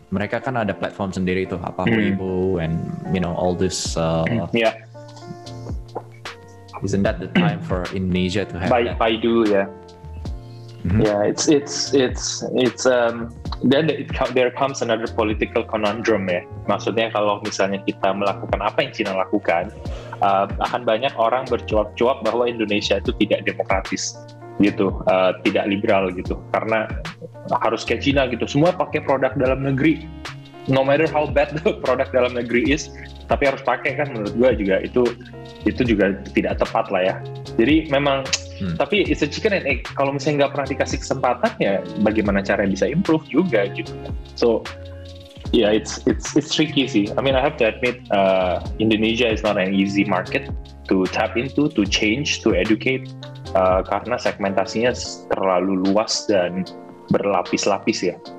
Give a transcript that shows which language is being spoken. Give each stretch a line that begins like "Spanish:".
Indonesian: Mereka kan ada platform sendiri tuh, apa Weibo
English: and you know all this. Isn't that the time for Indonesia to have Baidu, that? Baidu, yeah. Yeah, then there comes another political conundrum ya.
Indonesian: Maksudnya kalau misalnya kita melakukan apa yang China lakukan, akan banyak orang bercuap-cuap bahwa Indonesia itu tidak demokratis gitu, tidak liberal gitu, karena harus kayak China gitu, semua pakai produk dalam negeri.
English: No matter how bad the product
Indonesian: dalam negeri is, tapi harus pakai kan, menurut gue juga itu juga tidak tepat lah ya. Jadi memang, tapi
English: it's a chicken and egg.
Indonesian: Kalau misalnya nggak pernah dikasih kesempatan ya, bagaimana cara bisa improve juga gitu.
English: So, yeah, it's tricky sih. I mean, I have to admit, Indonesia is not an easy market to tap into, to change, to educate,
Indonesian: karena segmentasinya terlalu luas dan berlapis-lapis ya.